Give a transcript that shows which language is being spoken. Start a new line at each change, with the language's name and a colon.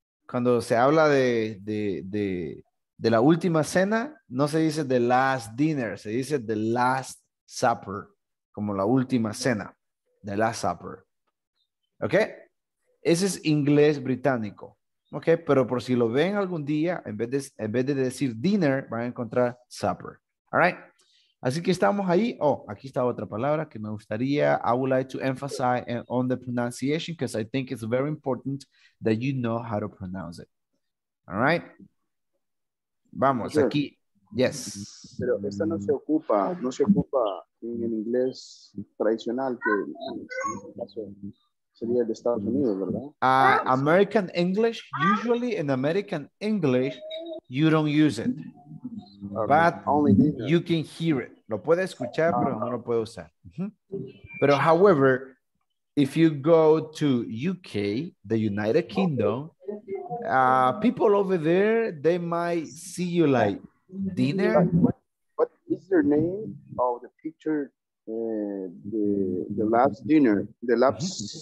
Spanish: Cuando se habla de la última cena, no se dice The Last Dinner, se dice The Last Supper, como la última cena, The Last Supper. ¿Ok? Ese es inglés británico. ¿Ok? Pero por si lo ven algún día, en vez de decir dinner, van a encontrar supper.
English: All right.
Spanish: Así que estamos ahí. Oh, aquí está otra palabra que me gustaría.
English: I would like to emphasize on the pronunciation because I think it's very important that you know how to pronounce it. All right. Vamos, sure. Aquí. Yes.
Spanish: Pero esta no se ocupa, no se ocupa en el inglés tradicional que en este caso sería el de Estados Unidos, ¿verdad?
English: American English, usually in American English, you don't use it. But only you can hear it.
Spanish: Lo puede escuchar, pero no lo puede usar.
English: Pero, however, if you go to UK, the United Kingdom, people over there, they might see you like dinner. What is the name of the picture? The last dinner, the last